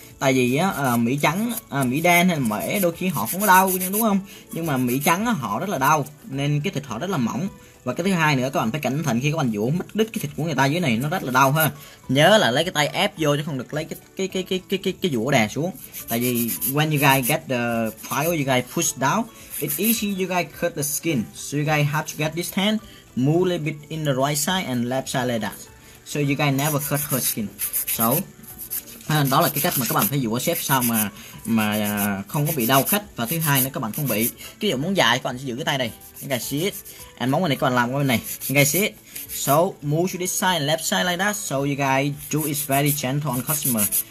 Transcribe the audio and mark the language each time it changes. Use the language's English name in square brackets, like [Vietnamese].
[Vietnamese] Tại vì Mỹ trắng, Mỹ đen hay Mỹ đôi khi họ không có đau đúng không? Nhưng mà Mỹ trắng họ rất là đau, nên cái thịt họ rất là mỏng. Và cái thứ hai nữa, các bạn phải cẩn thận khi các bạn dũa, mất đứt cái thịt của người ta dưới này nó rất là đau ha. Nhớ là lấy cái tay ép vô, chứ không được lấy cái dũa đè xuống. Tại vì [English] when you guys get the file, you guys push down, it's easy you guys cut the skin. So you guys have to get this hand, move a little bit in the right side and left side like that. So you guys never cut her skin. [Vietnamese] So, đó là cái cách mà các bạn phải dũa xếp sao mà không có bị đau khách. Và thứ hai nữa, các bạn không bị, ví dụ muốn dài, các bạn sẽ giữ cái tay này, [English] you guys see it. [Vietnamese] And móng này các bạn làm qua bên này, [English] you guys see it. So, move to this side and left side like that. So you guys do it very gentle on customer.